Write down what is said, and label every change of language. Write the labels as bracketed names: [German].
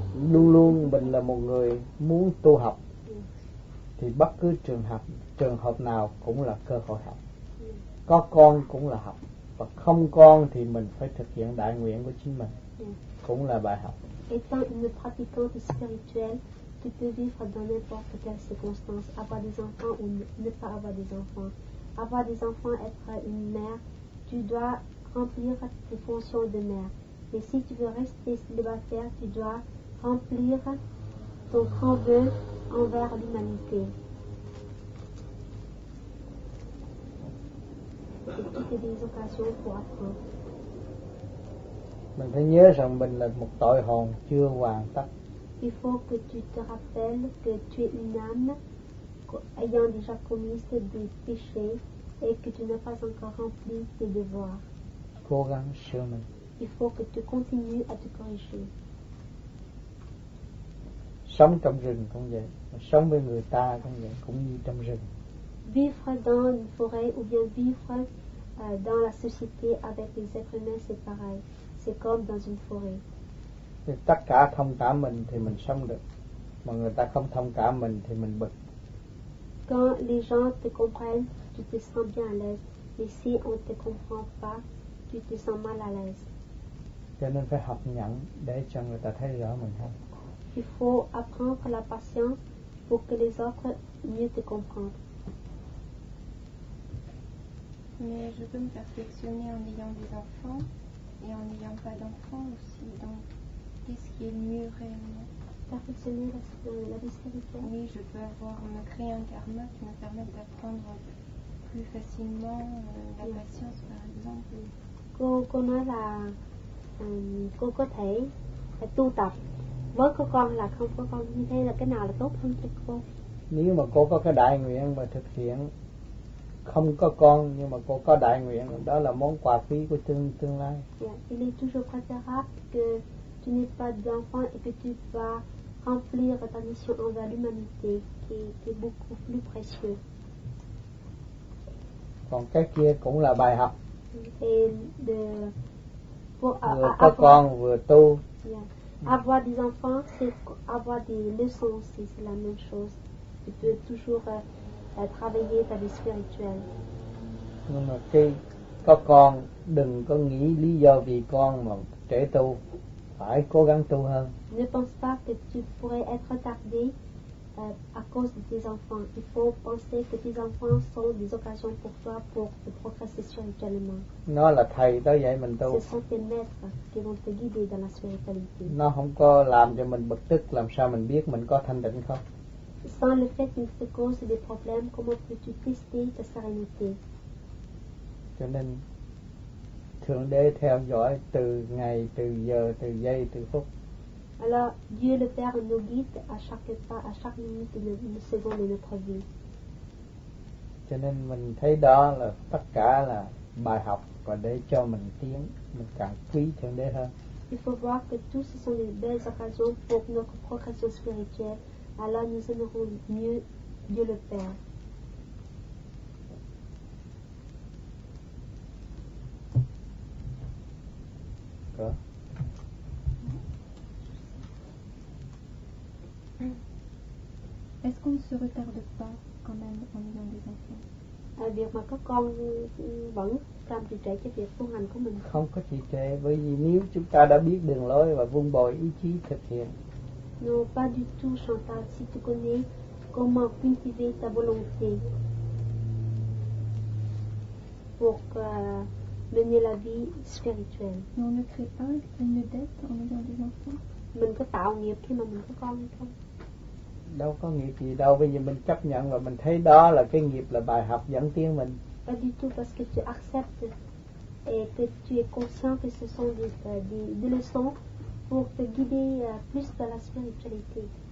[Vietnamese] Luôn luôn mình là một người muốn tu học, thì bất cứ trường hợp nào cũng là cơ hội học. Có con cũng là học, và không con thì mình phải thực hiện đại nguyện của chính mình, cũng là bài học. [French] Étant une pratiquante spirituelle, tu peux vivre dans n'importe quelle circonstance, avoir des enfants ou ne pas avoir des enfants. Avoir des enfants, être une mère, tu dois remplir tes fonctions de mère. Mais si tu veux rester célibataire, tu dois remplir ton grand vœu envers l'humanité. Et tu as des occasions pour apprendre. [Vietnamese] Mình phải nhớ rằng mình là một tội hồn chưa hoàn tất. [French] Il faut que tu te rappelles que tu es une âme ayant déjà commis des péchés et que tu n'as pas encore rempli tes devoirs. [Vietnamese] Cố gắng sửa mình. [French] Il faut que tu continues à te corriger. [Vietnamese] Sống trong rừng cũng vậy, sống với người ta cũng vậy, cũng như trong rừng. [French] Vivre dans une forêt ou bien vivre dans la société avec les êtres humains, c'est pareil. C'est comme dans une forêt. [Vietnamese] Thì tất cả thông cảm mình thì mình sống được. mà người ta không thông cảm mình thì mình bực. [French] Quand les gens te comprennent, tu te sens bien à l'aise. Mais si on te comprend pas, tu te sens mal à l'aise. [Vietnamese] Cho nên phải học nhẫn để cho người ta thấy rõ mình hơn. [French] Il faut apprendre la patience pour que les autres mieux te comprennent. Mais je peux me perfectionner en ayant des enfants et en n'ayant pas d'enfants aussi. Donc, qu'est-ce qui est mieux réellement? Perfectionner la spiritualité. Oui, je peux avoir, me créer un karma qui me permette d'apprendre plus facilement la patience, par exemple. Qu'on a la, qu'on peut être tout à fait. [Vietnamese] Với cô con là không có con như thế là cái nào là tốt hơn cho cô? Nếu mà cô có cái đại nguyện mà thực hiện không có con nhưng mà cô có đại nguyện đó là món quà quý của tương lai. [French] Yeah, il est toujours préférable que tu n'aies pas d'enfant et que tu vas remplir ta mission envers l'humanité qui est beaucoup plus précieux. [Vietnamese] Còn cái kia cũng là bài học. [French] Et de [Vietnamese] vừa có con vừa tu. Yeah. [French] Avoir des enfants, c'est avoir des leçons aussi, c'est la même chose. Tu peux toujours travailler ta vie spirituelle. [Vietnamese] Nhưng mà khi có con, đừng có nghĩ lý do vì con mà trễ tu, phải cố gắng tu hơn. [French] Ne pense pas que tu pourrais être tardé à cause de tes enfants. Il faut penser que tes enfants sont des occasions pour toi pour te progresser spirituellement. [Vietnamese] Nó là thầy đó dạy mình tu. [French] Ce sont tes maîtres qui vont te guider dans la spiritualité. [Vietnamese] Nó không có làm cho mình bực tức, làm sao mình biết mình có thanh định không? [French] Sans le fait qu'ils te causent des problèmes, comment peux-tu tester ta sérénité? [Vietnamese] Cho nên Thượng Đế theo dõi từ ngày, từ giờ, từ giây, từ phút. [French] Alors Dieu le Père nous guide à chaque pas, à chaque minute de nos secondes de notre vie. [Vietnamese] Cho nên mình thấy đó là tất cả là bài học và để cho mình tiến, mình càng quý Thượng Đế hơn. [French] Il faut voir que tout ce sont des belles occasions pour notre progression spirituelle. Alors nous aimerons mieux Dieu le Père. Quoi? Est-ce qu'on ne se retarde pas quand même en ayant des enfants? [Vietnamese] À việc mà có con vẫn làm trì trệ cái việc tu hành của mình. Không có trì trệ, bởi vì nếu chúng ta đã biết đường lối và vun bồi ý chí thực hiện. [French] Non, pas du tout, Chantal. Si tu connais comment cultiver ta volonté pour mener la vie spirituelle. Mais on ne crée pas une dette en ayant des enfants? [Vietnamese] Mình có tạo nghiệp khi mà mình có con hay không? Đâu có nghiệp gì đâu, bây giờ mình chấp nhận và mình thấy đó là cái nghiệp, là bài học dẫn tiến mình. [French] Pas du tout, parce que tu acceptes et que tu es conscient que ce sont des leçons pour te guider plus dans la spiritualité.